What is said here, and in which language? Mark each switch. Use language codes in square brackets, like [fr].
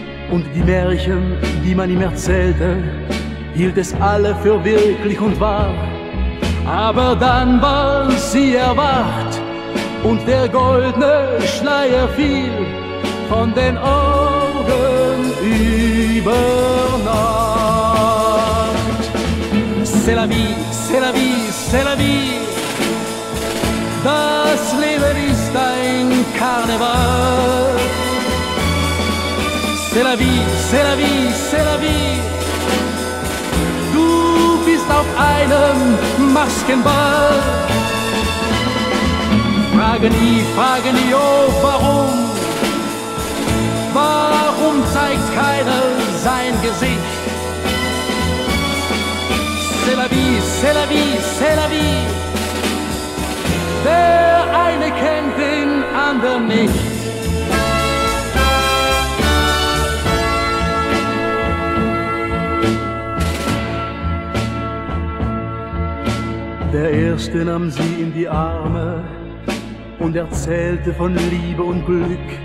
[de] Und die Märchen, die man ihm erzählte, hielt es alle für wirklich und wahr. Aber dann war sie erwacht und der goldne Schleier fiel von den Augen über Nacht. [fr] C'est la vie, c'est la vie, c'est la vie. [de] Das Leben ist ein Karneval. [fr] C'est la vie, c'est la vie, c'est la vie. [de] Du bist auf einem Maskenball. Frage nie, oh, warum? Warum zeigt keiner sein Gesicht? [fr] C'est la vie, c'est la vie, c'est la vie. [de] Der eine kennt den anderen nicht. Der Erste nahm sie in die Arme und erzählte von Liebe und Glück.